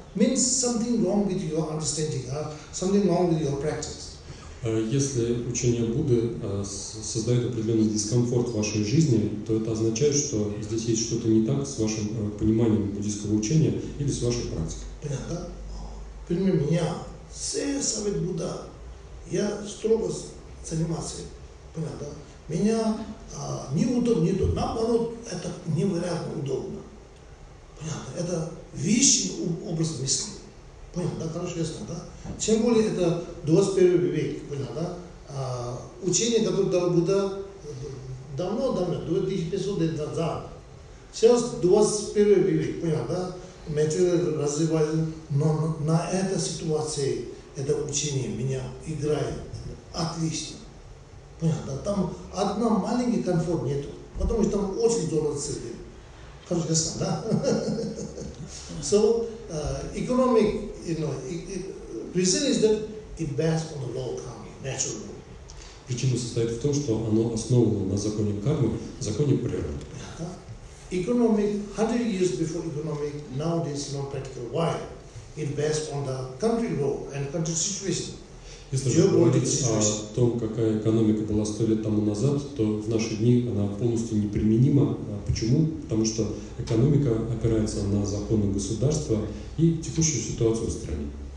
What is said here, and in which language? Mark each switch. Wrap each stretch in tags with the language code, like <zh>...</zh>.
<en>Means something wrong with your understanding, something wrong with your practice.</en> <ru>Если учение Будды создает определенный дискомфорт в вашей жизни, то это означает, что здесь есть что-то не так с вашим пониманием буддийского учения или с вашей практикой. Понятно? Пример меня, все совет Будда, я строго занимался. Понятно? Меня не удобно, не то, наоборот, это невероятно удобно. Понятно? Это вещи, образ мысли. Понятно, да? Хорошо, ясно, да? Чем более это 21 век, понятно, да? Учение, которое дал Будда давно, 2500 лет назад. Сейчас 21 век, понятно, да? Материал развивается, но на этой ситуации это учение меня играет отлично. Понятно, да? Там одна маленький комфорт нету, потому что там очень дорого цели. Хорошо, ясно, да?</ru> <en>So, economic, you know, reason is that it bears on the law of karma, natural law.</en> <ru>Причина состоит в том, что оно основано на законе кармы, законе природы.</ru> <en>Economic, 100 years before economic, nowadays not practical. Why? It bears on the country law and country situation.</en> <ru>Если же говорить о том, какая экономика была 100 лет тому назад, то в наши дни она полностью неприменима. Почему? Потому что экономика опирается на законы государства и текущую ситуацию в стране.</ru>